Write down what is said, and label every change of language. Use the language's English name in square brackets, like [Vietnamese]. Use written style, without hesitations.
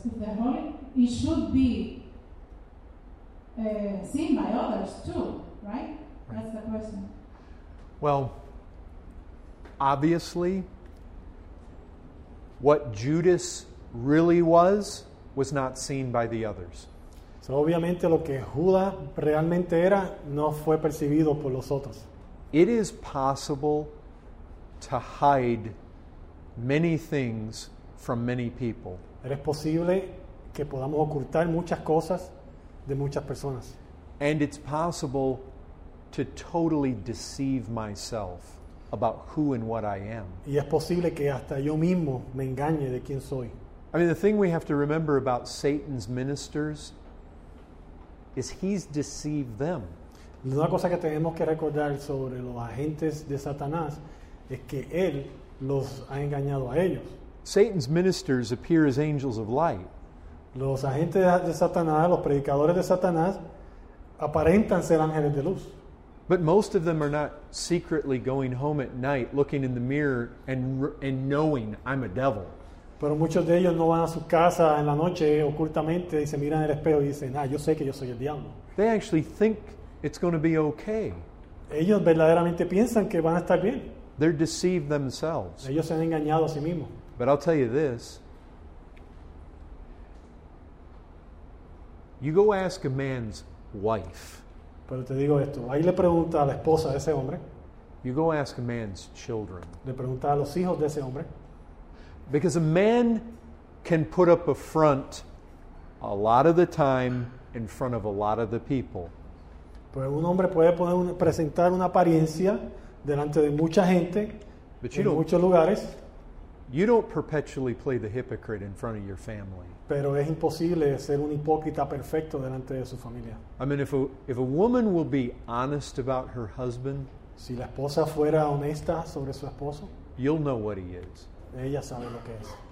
[English] If they're holy, it should be seen by others too, right? That's the question. Well, obviously, what Judas really was not seen by the others. [Spanish] So obviamente lo que Judas realmente era no fue percibido por los otros. [English] It is possible to hide many things from many people. [Spanish] Es posible que podamos ocultar muchas cosas de muchas personas. [English] And it's possible to totally deceive myself about who and what I am. [Spanish] Y es posible que hasta yo mismo me engañe de quién soy. [English] I mean, the thing we have to remember about Satan's ministers is he's deceived them. [Spanish] Una cosa que tenemos que recordar sobre los agentes de Satanás es que él los ha engañado a ellos. [English] Satan's ministers appear as angels of light. [Spanish] Los agentes de Satanás, los predicadores de Satanás, aparentan ser ángeles de luz. [English] But most of them are not secretly going home at night, looking in the mirror and knowing I'm a devil. [Spanish] Pero muchos de ellos no van a su casa en la noche ocultamente y se miran en el espejo y dicen, ah, yo sé que yo soy el diablo. [English] They actually think it's going to be okay. [Spanish] Ellos verdaderamente piensan que van a estar bien. [English] They're deceived themselves. [Spanish] Ellos se han engañado a sí mismos. [English] But I'll tell you this. You go ask a man's wife. [Spanish] Pero te digo esto. Ahí le pregunta a la esposa de ese hombre. [English] You go ask a man's children. [Spanish] Le pregunta a los hijos de ese hombre. [English] Because a man can put up a front a lot of the time in front of a lot of the people. [Spanish] Pues un hombre puede presentar una apariencia delante de mucha gente en muchos lugares. [English] You don't perpetually play the hypocrite in front of your family. [Spanish] Pero es imposible ser un hipócrita perfecto delante de su familia. [English] I mean, if a woman will be honest about her husband, [Spanish] si la esposa fuera honesta sobre su esposo, [English] you'll know what he is. [Spanish] Ella sabe lo que es.